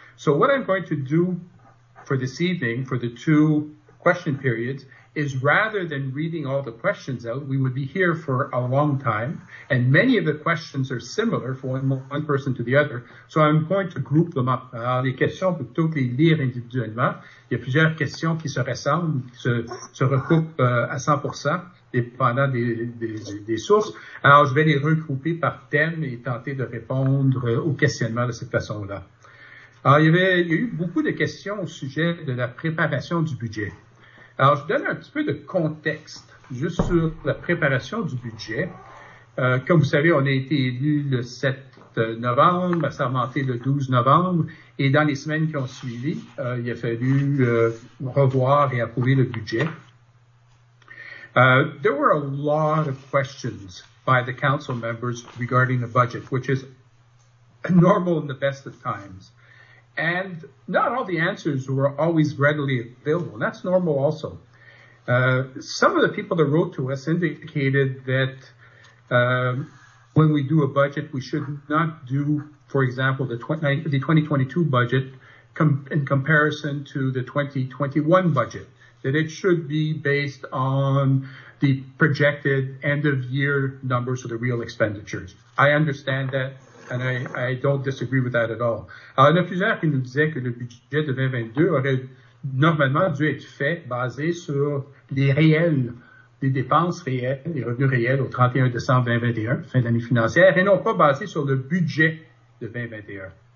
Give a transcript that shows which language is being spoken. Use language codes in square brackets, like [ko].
[en] So what I'm going to do for this evening, for the two question periods, is rather than reading all the questions out, we would be here for a long time, and many of the questions are similar from one person to the other, so I'm going to group them up. [fr] Alors, les questions, plutôt que les lire individuellement, il y a plusieurs questions qui se ressemblent, se recoupent à 100%, dépendant des sources. Alors, je vais les regrouper par thème et tenter de répondre aux questionnements de cette façon-là. Alors, il y a eu beaucoup de questions au sujet de la préparation du budget. Alors, je donne un petit peu de contexte, juste sur la préparation du budget. Comme vous savez, on a été élu le 7 novembre, ça a augmenté le 12 novembre, et dans les semaines qui ont suivi, il a fallu revoir et approuver le budget. [en] There were a lot of questions by the council members regarding the budget, which is normal in the best of times. And not all the answers were always readily available. That's normal also. Some of the people that wrote to us indicated that when we do a budget, we should not do, for example, the 2022 budget in comparison to the 2021 budget, that it should be based on the projected end-of-year numbers or the real expenditures. I understand that. And I don't disagree with that at all. [fr] Alors, il y en a plusieurs qui nous disaient que le budget de 2022 aurait normalement dû être fait basé sur les réels, les dépenses réelles, les revenus réels au 31 décembre 2021, fin d'année financière, et non pas basé sur le budget de 2021.